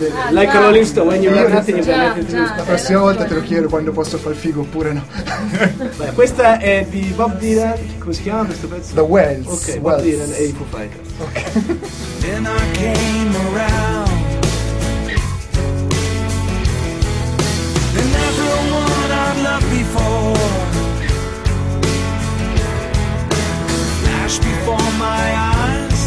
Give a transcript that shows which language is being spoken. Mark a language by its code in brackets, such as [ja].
[en] Like a Rolling Stone, when you're nothing, you're [it] la prossima volta te lo chiedo quando posso far figo oppure no. Beh, questa è di Bob Dylan, come si chiama questo pezzo? [en] The Wells. [it] Ok, Bob Dylan e i Foo Fighters. Ok. [en] Then I came around and everyone I've loved before flashed before my eyes.